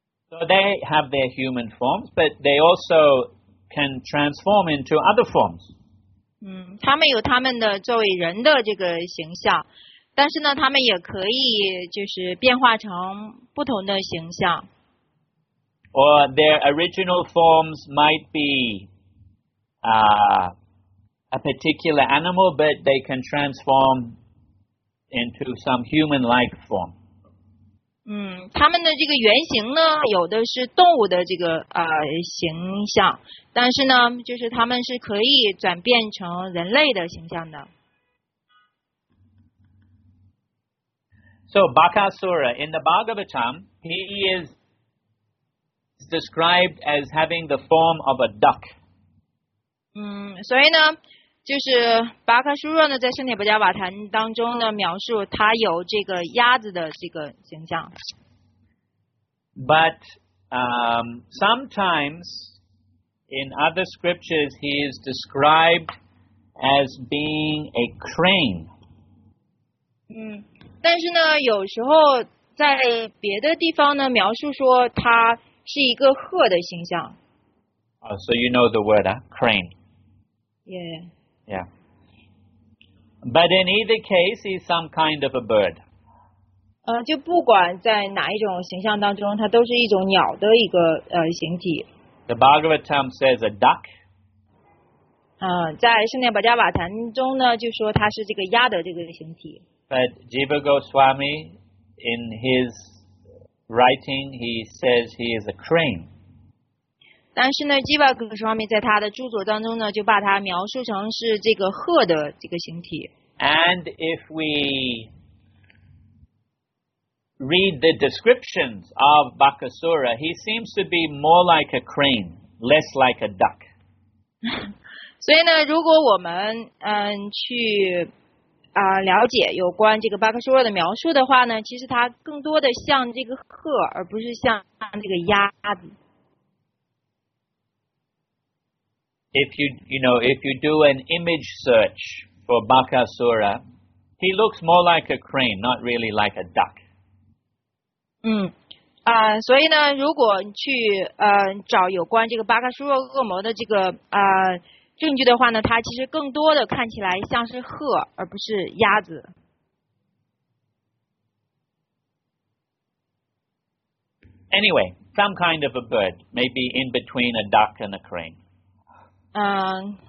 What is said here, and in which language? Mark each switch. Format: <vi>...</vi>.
<en>So they have their human forms, but they also can transform into other forms.</en> <zh>他们有他们的作为人的这个形象，但是呢，他们也可以就是变化成不同的形象。</zh> <en>Or their original forms might be a particular animal, but they can transform into some human-like form.</en> <zh>他们的这个原型呢，有的是动物的这个形象。但是呢，就是他们是可以转变成人类的形象的。</zh> <en>So Bakasura in the Bhagavatam, he is described as having the form of a duck.</en> <zh>所以呢，就是 Bakasura 呢，在《圣铁布加瓦坛》当中呢，描述他有这个鸭子的这个形象。</zh> <en>But sometimes. In other scriptures, he is described as being a crane.</en> <zh>但是呢，有时候在别的地方呢，描述说他是一个鹤的形象。</zh> <en>Oh, so you know the word, crane. Yeah. Yeah. But in either case, he's some kind of a bird.</en> <zh>就不管在哪一种形象当中，它都是一种鸟的一个形体。</zh> <en>The Bhagavatam says a duck.</en> <zh>在圣殿保加瓦坛中呢，就说它是这个鸭的这个形体。</zh> <en>But Jiva Goswami, in his writing, he says he is a crane.</en> <zh>但是呢 ，Jiva Goswami 在他的著作当中呢，就把它描述成是这个鹤的这个形体。</zh> <en>And if we read the descriptions of Bakasura, he seems to be more like a crane, less like a duck.</en> <zh>所以呢，如果我们去了解有关这个巴克苏尔的描述的话呢，其实它更多的像这个鹤，而不是像这个鸭子。</zh> <en>If you do an image search for Bakasura, he looks more like a crane, not really like a duck.</en> <zh>所以呢，如果你去找有关这个巴克苏尔恶魔的这个证据的话呢，它其实更多的看起来像是鹤，而不是鸭子。</zh> <en>Anyway, some kind of a bird, maybe in between a duck and a crane.</en>